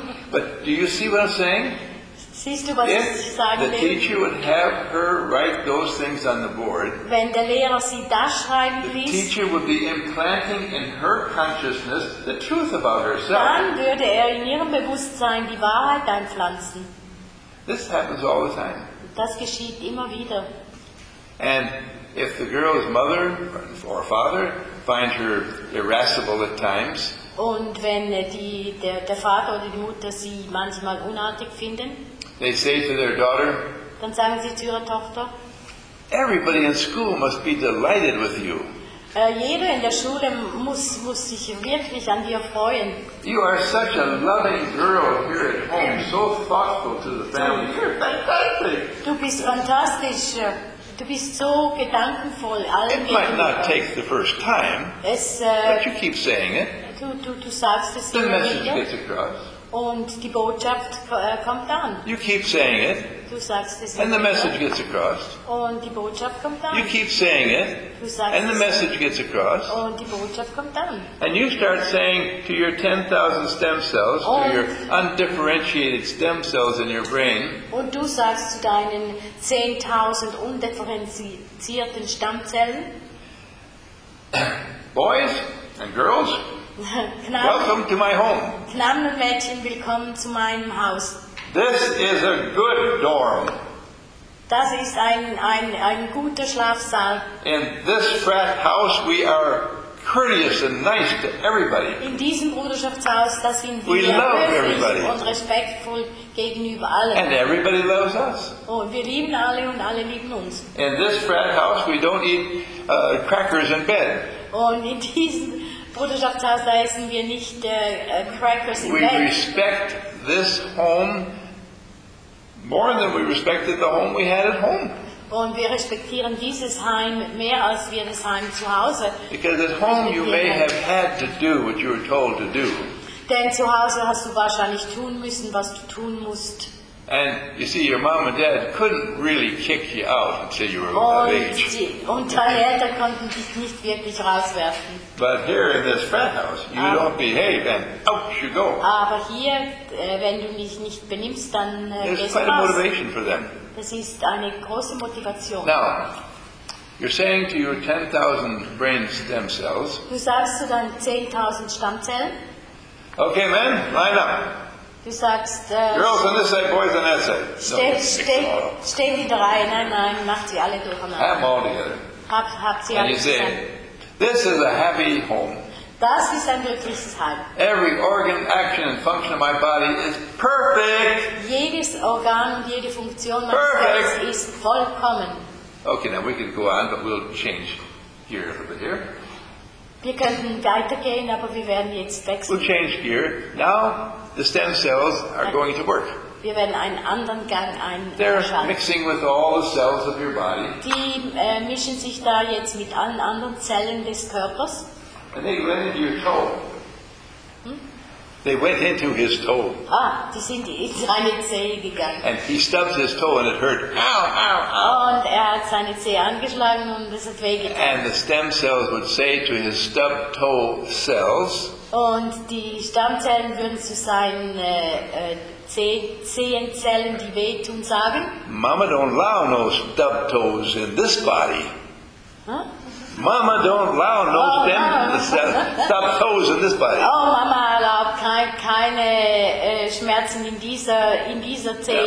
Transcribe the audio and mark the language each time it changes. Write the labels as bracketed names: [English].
[English] But do you see what I'm saying? If the teacher would have her write those things on the board, [German] wenn der Lehrer sie das schreiben ließ, [English] the teacher would be implanting in her consciousness the truth about herself. [German] Dann würde in ihrem Bewusstsein die Wahrheit einpflanzen. [English] This happens all the time. [German] Das geschieht immer wieder. [English] And if the girl's mother or father find her irascible at times, [German] und wenn der Vater oder die Mutter sie manchmal unartig finden, [English] they say to their daughter, [German] dann sagen sie zu ihrer Tochter, [English] everybody in school must be delighted with you. [German] Jeder in der Schule muss sich wirklich an dir freuen. [English] You are such a loving girl here at home, so thoughtful to the family. You're fantastic. [German] Du bist fantastisch. Du bist so gedankenvoll. [English] It might not take the first time, but you keep saying it. [German] Du sagst es [English] the message [German] wieder [English] gets across. [German] Und die Botschaft kommt an. [English] You keep saying it. [German] Du sagst es. [English] And the message gets across. [German] Und die Botschaft kommt an. [English] You keep saying it. [German] Du sagst [English] and the message gets across. [German] Und die Botschaft kommt an. [English] And you start saying to your 10,000 stem cells, [German] und [English] to your undifferentiated stem cells in your brain. [German] Und du sagst zu deinen 10,000 undifferenzierten Stammzellen. [English] Boys and girls. Welcome to my home. [German] Knaben und Mädchen, willkommen zu meinem Haus. [English] This is a good dorm. [German] Das ist ein guter Schlafsaal. [English] In this frat house we are courteous and nice to everybody. [German] In diesem Bruderschaftshaus, da sind wir höflich und respektvoll gegenüber allen. [English] And everybody loves us. [German] Oh, wir lieben alle und alle lieben uns. [English] In this frat house we don't eat crackers in bed. [German] Und in diesem Bruderschaftshaus, da essen wir nicht crackers im Bett. [English] We respect this home more than we respected the home we had at home. [German] Und wir respektieren dieses Heim mehr als wir das Heim zu Hause. [English] Because at home you may have had to do what you were told to do. [German] Denn zu Hause hast du wahrscheinlich tun müssen, was du tun musst. [English] And you see, your mom and dad couldn't really kick you out until you were of age. [German] Und deine Eltern konnten dich nicht wirklich rauswerfen. [English] But here in this frat house, you don't behave, and out you go. [German] Aber hier, wenn du dich nicht benimmst, dann gehst du raus. [English] It's quite a motivation for them. [German] Das ist eine große Motivation. [English] Now, you're saying to your 10,000 brain stem cells. [German] Du sagst zu deinen 10,000 Stammzellen. [English] Okay, men, line up. [German] Du sagst, [English] girls on this side, boys on that side. [German] Stehen die drei, nein, macht sie alle durcheinander. [English] Have them all together. [German] Hab sie [English] and [German] alle [English] you say, this is a happy home. [German] Das ist ein glückliches Heim. [English] Every organ, action and function of my body is perfect. [German] Jedes Organ und jede Funktion meines Körpers ist vollkommen. [English] Okay, now we can go on, but we'll change gear a little bit here. [German] Wir könnten weitergehen, aber wir werden jetzt wechseln. [English] We'll change gear. Now the stem cells are going to work. [German] Wir werden einen anderen Gang einschalten. [English] They're mixing with all the cells of your body. [German] Die mischen sich da jetzt mit allen anderen Zellen des Körpers. [English] And they went into your toe. They went into his toe. [German] Ah, die sind in seine Zehe gegangen. [English] And he stubbed his toe and it hurt. Ow, ow, ow. [German] Und hat seine Zehe angeschlagen und es hat wehgetan. [English] And the stem cells would say to his stubbed toe cells. [German] Und die Stammzellen würden zu seinen Zehenzellen, die wehtun, sagen. [English] Mama don't allow no stubbed toes in this body. Mama don't allow no stub toes in this body. [German] Oh, Mama erlaubt keine Schmerzen in dieser Zehe.